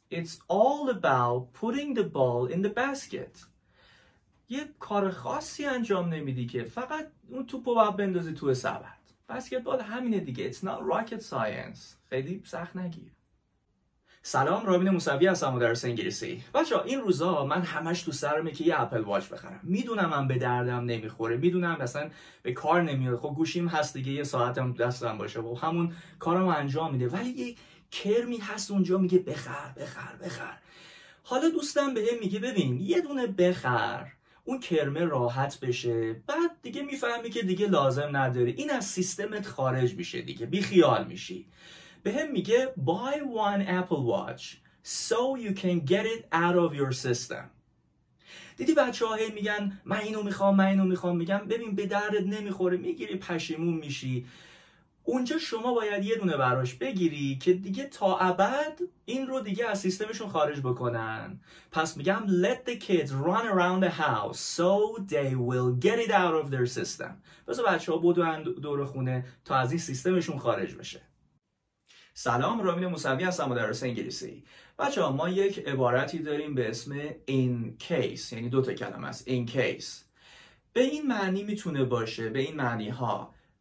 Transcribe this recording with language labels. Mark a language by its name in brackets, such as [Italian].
[English] It's all about putting the ball in the basket. [Persian] یه کار خاصی انجام نمیدی که فقط اون توپو باید بندازی توی سبد. بسکتبال همینه دیگه. [English] It's not rocket science. [Persian] خیلی سخت نگیر. سلام، رامین موسوی هستم، مدرس انگلیسی. بچه‌ها این روزا من همش تو سرمه که یه اپل واچ بخرم. میدونم من به دردم نمیخوره، میدونم اصلا به کار نمیاد. خب گوشیم هست دیگه، یه ساعتم دستم باشه و همون کارمو انجام میده، ولی یه کرمی هست اونجا میگه بخر بخر بخر. حالا دوستم به هم میگه ببین یه دونه بخر اون کرمه راحت بشه، بعد دیگه میفهمی که دیگه لازم نداره، این از سیستمت خارج میشه دیگه، بی خیال میشی. به هم میگه [English] buy one apple watch so you can get it out of your system. [Persian] دیدی بچه های میگن من اینو میخوام من اینو میخوام، میگم ببین به درد نمیخوره، میگیری پشیمون میشی. اونجا شما باید یه دونه براش بگیری که دیگه تا ابد این رو دیگه از سیستمشون خارج بکنن. پس میگم [English] let the kids run around the house so they will get it out of their system. [Persian] بذار بچه ها بدون دور خونه تا از این سیستمشون خارج بشه. سلام، رامین موسوی هستم، مدرس انگلیسی. بچه ها ما یک عبارتی داریم به اسم in case، یعنی دوتا کلمه است in case. به این معنی میتونه باشه، به این معنی ها